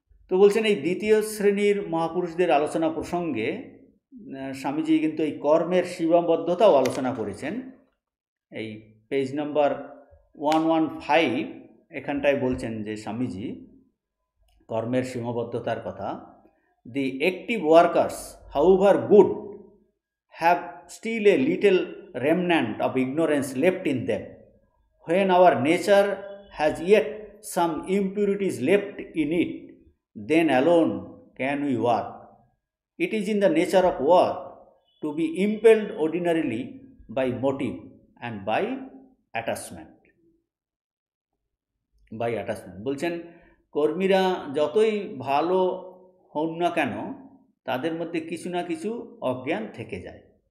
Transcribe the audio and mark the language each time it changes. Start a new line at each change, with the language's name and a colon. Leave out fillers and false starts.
Bangla: তো বলছেন এই দ্বিতীয় শ্রেণীর মহাপুরুষদের আলোচনা প্রসঙ্গে স্বামীজি কিন্তু এই কর্মের সীমাবদ্ধতাও আলোচনা করেছেন, এই পেজ নাম্বার 115 এখানটায় বলছেন যে স্বামীজি কর্মের সীমাবদ্ধতার কথা,
English: the active workers, however good, have still a little remnant of ignorance left in them. When our nature has yet some impurities left in it, then alone can we work. It is in the nature of work to be impelled ordinarily by motive and by attachment. By attachment.
Bangla: বলছেন কর্মীরা যতই ভালো হন না কেন তাদের মধ্যে কিছু না কিছু অজ্ঞান থেকে যায়।